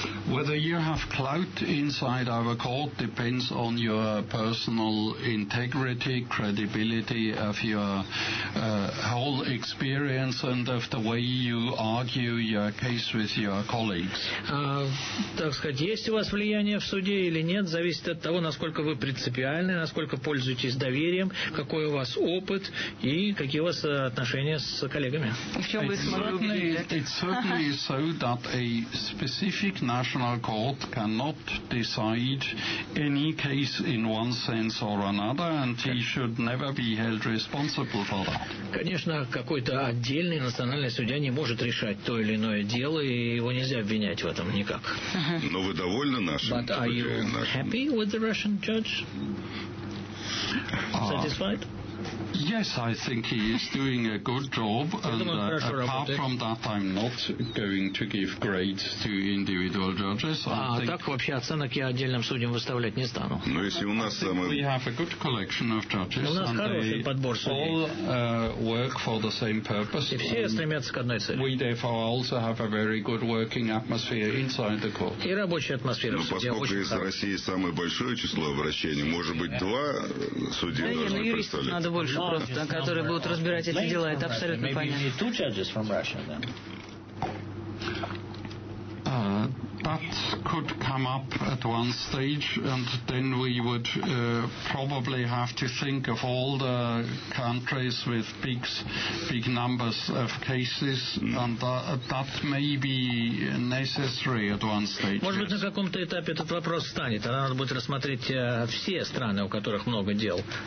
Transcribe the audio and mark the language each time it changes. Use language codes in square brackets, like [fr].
[en] Whether you have clout inside our court depends on your personal integrity, credibility of your whole experience and of the way you argue your case with your colleagues. [ru] Так сказать, есть у вас влияние в суде или нет, зависит от того, насколько вы принципиальны, насколько пользуетесь доверием, какой у вас опыт и какие у вас отношения с коллегами. [en] It's certainly so that a specific national court cannot decide any case in one sense or another, and he should never be held responsible for that. [ru] Конечно, какой-то отдельный национальный судья не может решать то или иное дело, и его нельзя обвинять в этом никак. Но вы довольны нашим судьей? [en] But are you happy with the Russian judge? Satisfied? Yes, I think he is doing a good job, and apart from that, I'm not going to give grades to individual judges. [ru] Так вообще оценок я отдельным судьям выставлять не стану. Но если у нас самый... [en] We have a good collection of judges, and they all work for the same purpose. [ru] И все стремятся к одной цели. [en] We therefore also have a very good working atmosphere inside the court. [ru] И рабочая атмосфера в суде очень хорошая. Но поскольку из России самое большое число обращений, может быть, два судьи должны представлять. Надо больше просто, которые будут разбирать эти дела, это абсолютно понятно. [en] Maybe you need two judges from Russia, then. that could come up at one stage, and then we would probably have to think of all the countries with big numbers of cases, and that may be necessary at one stage. [ru] Может быть, на каком-то этапе этот вопрос станет. Тогда надо будет рассмотреть все страны, у которых много дел.